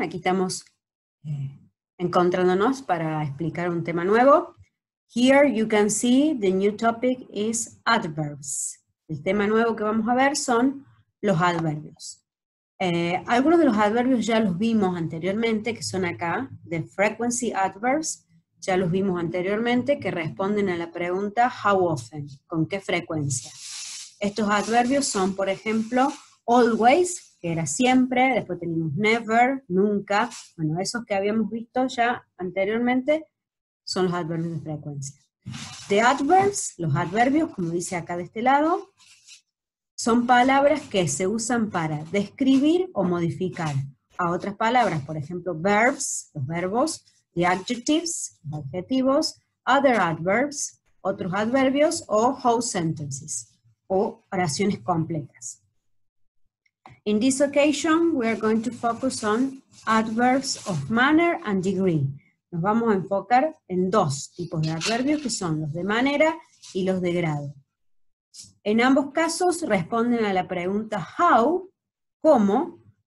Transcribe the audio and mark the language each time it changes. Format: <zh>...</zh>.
<es>Aquí estamos encontrándonos para explicar un tema nuevo.</es> <en>Here you can see the new topic is adverbs.</en> <es>El tema nuevo que vamos a ver son los adverbios. Algunos de los adverbios ya los vimos anteriormente, que son acá,</es> <en>the frequency adverbs.</en> <es>Ya los vimos anteriormente, que responden a la pregunta</es> <en>how often,</en> <es>con qué frecuencia. Estos adverbios son, por ejemplo, always, que era siempre, después tenemos never, nunca. Bueno, esos que habíamos visto ya anteriormente son los adverbios de frecuencia.</es> <en>The adverbs,</en> <es>los adverbios, como dice acá de este lado, son palabras que se usan para describir o modificar a otras palabras, por ejemplo, verbs, los verbos.</es> <en>The adjectives,</en> <es>adjetivos,</es> <en>other adverbs,</en> <es>otros adverbios, o</es> <en>whole sentences,</en> <es>o oraciones completas.</es> <en>In this occasion, we are going to focus on adverbs of manner and degree.</en> <es>Nos vamos a enfocar en dos tipos de adverbios, que son los de manera y los de grado. En ambos casos, responden a la pregunta how, cómo.</es>